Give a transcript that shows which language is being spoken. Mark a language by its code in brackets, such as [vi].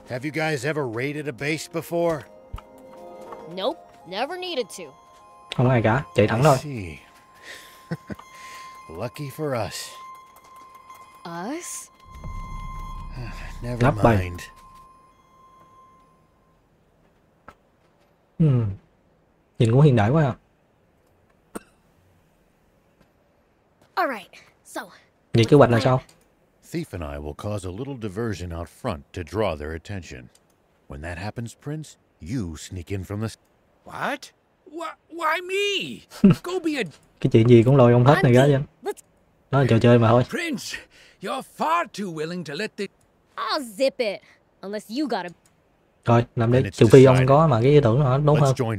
[en] Have you guys ever raided a base before? Nope, never needed to. [vi] Không ai cả, chạy thẳng thôi. [en] Lucky for us. Us? Never mind. [vi] Nhìn cũng hiện đại quá à. [en] All right. So. [vi] Vậy kế hoạch là sao? [en] Thief and I will cause a little diversion out front to draw their attention. When that happens, Prince, you sneak in from the... What? Why me? Go be a... [vi] Cái chuyện gì cũng lôi ông hết này ra vậy? Nó là trò chơi mà thôi. [en] Prince, you're far too willing to let the... I'll zip it, unless you got a... [vi] Rồi, làm đi. Trừ phi ông có mà cái ý tưởng nó đúng hơn.